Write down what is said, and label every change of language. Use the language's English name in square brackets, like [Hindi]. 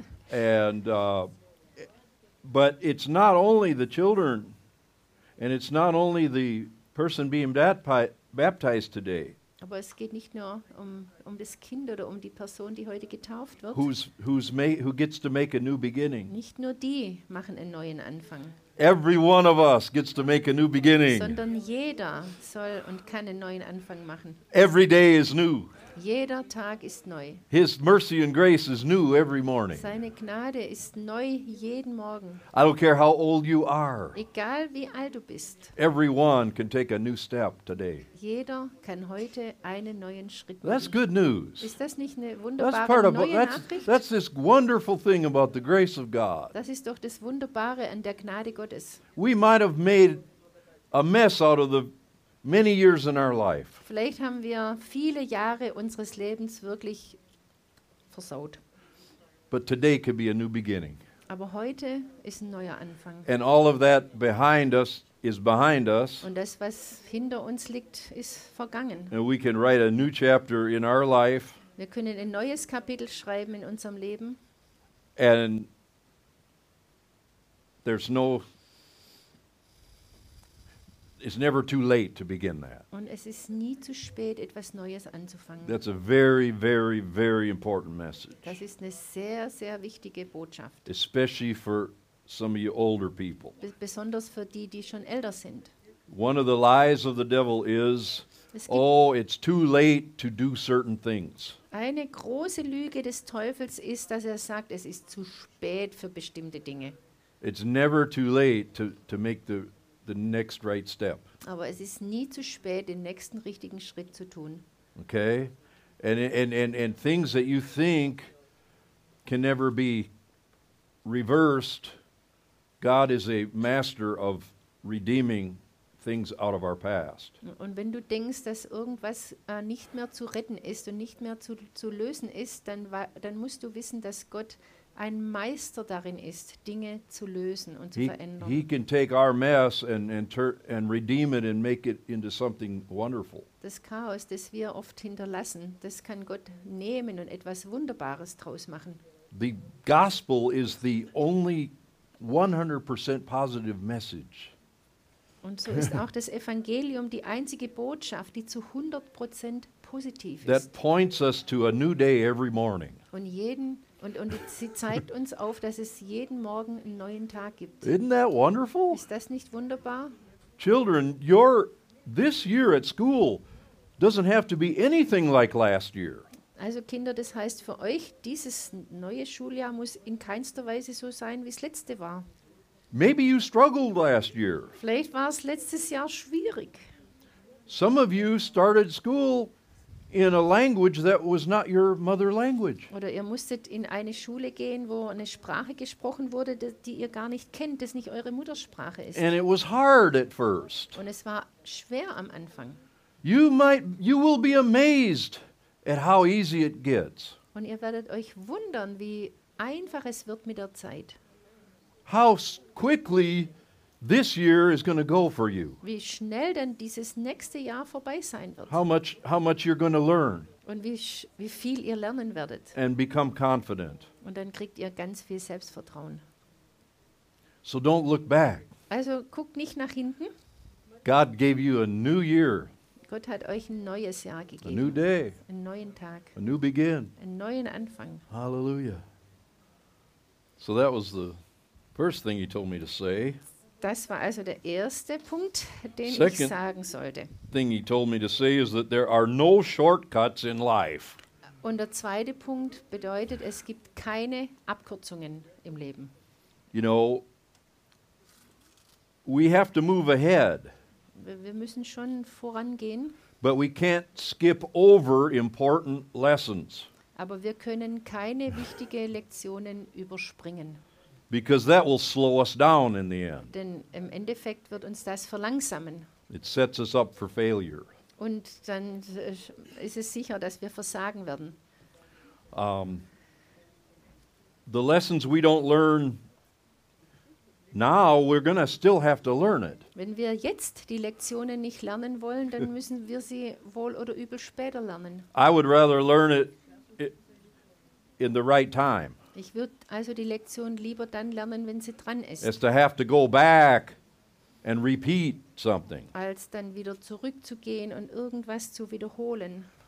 [English] And but it's not only the children, and it's not only the person being baptized today. [German] Aber es geht nicht nur um das Kind oder um die Person, die heute getauft wird. [English] Who gets to make a new beginning? [German] Nicht nur die machen einen neuen Anfang. [English] Every one of us gets to make a new beginning. [German] Sondern jeder soll und kann einen neuen Anfang machen. [English] Every day is new. [German] Jeder Tag ist neu. [English] His mercy and grace is new every morning. [German] Seine Gnade ist neu jeden Morgen. [English] I don't care how old you are. [German] Egal wie alt du bist. [English] Everyone can take a new step today. [German] Jeder kann heute einen neuen Schritt [English] machen. That's good news. [German] Ist das nicht eine wunderbare neue Nachricht? [English] That's this wonderful thing about the grace of God. [German] Das ist doch das Wunderbare an der Gnade Gottes. [English] We might have made a mess out of the many years in our life. [German] Vielleicht haben wir viele Jahre unseres Lebens wirklich versaut. [English] But today could be a new beginning. [German] Aber heute ist ein neuer Anfang. [English] And all of that behind us is behind us. [German] Und das, was hinter uns liegt, ist vergangen. [English] And we can write a new chapter in our life. [German] Wir können ein neues Kapitel schreiben in unserem Leben. [English] And there's no, it's never too late to begin that. [German] Und es ist nie zu spät, etwas Neues anzufangen. [English] That's a very, very, very important message. [German] Das ist eine sehr, sehr wichtige Botschaft. [English] Especially for some of you older people. [German] Besonders für die, die schon älter sind. [English] One of the lies of the devil is, oh, it's too late to do certain things. [German] Eine große Lüge des Teufels ist, dass sagt, es ist zu spät für bestimmte Dinge. [English] It's never too late to make the next right step. [German] Aber es ist nie zu spät, den nächsten richtigen Schritt zu tun. [English] Okay? And things that you think can never be reversed, God is a master of redeeming things out of our past. [German] Und wenn du denkst, dass irgendwas nicht mehr zu retten ist und nicht mehr zu lösen ist, dann musst du wissen, dass Gott ein Meister darin ist, Dinge zu lösen und zu verändern. [English] He can take our mess and redeem it and make it into something wonderful. [German] Das Chaos, das wir oft hinterlassen, das kann Gott nehmen und etwas Wunderbares draus machen. [English] The gospel is the only 100% positive message. [German] Und so ist auch das Evangelium die einzige Botschaft, die zu 100% positiv ist. [English] That points us to a new day every morning. [German] Und sie zeigt uns auf, dass es jeden Morgen einen neuen Tag gibt. [English] Isn't that wonderful? [German] Ist das nicht wunderbar? [English] Children, this year at school doesn't have to be anything like last year. [German] Also Kinder, das heißt für euch, dieses neue Schuljahr muss in keinster Weise so sein, wie es letzte war. [English] Maybe you struggled last year. [German] Vielleicht war es letztes Jahr schwierig. [English] Some of you started school in a language that was not your mother language. [German] Oder ihr musstet in eine Schule gehen, wo eine Sprache gesprochen wurde, die ihr gar nicht kennt, das nicht eure Muttersprache ist. [English] And it was hard at first. [German] Und es war schwer am Anfang. [English] You will be amazed at how easy it gets. [German] Und ihr werdet euch wundern, wie einfach es wird mit der Zeit. [English] How quickly this year is going to go for you. [German] Wie schnell denn dieses nächste Jahr vorbei sein wird. [English] How much you're going to learn. [German] Und wie viel ihr lernen werdet. [English] And become confident. [German] Und dann kriegt ihr ganz viel Selbstvertrauen. [English] So don't look back. [German] Also guckt nicht nach hinten. [English] God gave you a new year. [German] Gott hat euch ein neues Jahr gegeben. [English] A new day. [German] Einen neuen Tag. [English] A new begin. [German] Einen neuen Anfang. [English] Hallelujah. So that was the first thing he told me to say. [German] Das war also der erste Punkt, den Second ich sagen sollte. [English] Thing he told me to say is that there are no shortcuts in life. [German] Und der zweite Punkt bedeutet, es gibt keine Abkürzungen im Leben. [English] You know, we have to move ahead. [German] Wir müssen schon vorangehen. [English] But we can't skip over important lessons. [German] Aber wir können keine wichtigen Lektionen überspringen. [English] Because that will slow us down in the end. [German] Denn im Endeffekt wird uns das verlangsamen. [English] It sets us up for failure. [German] Und dann ist es sicher, dass wir versagen werden. [English] The lessons we don't learn now, we're going to still have to learn it. [German] Wenn wir jetzt die Lektionen nicht lernen wollen, dann müssen wir sie wohl oder übel später lernen. [English] I would rather learn it in the right time. [German] Ich würde also die Lektion lieber dann lernen, wenn sie dran ist. [English] As to have to go back and repeat something. [German] Als dann wieder zurückzugehen und irgendwas zu wiederholen.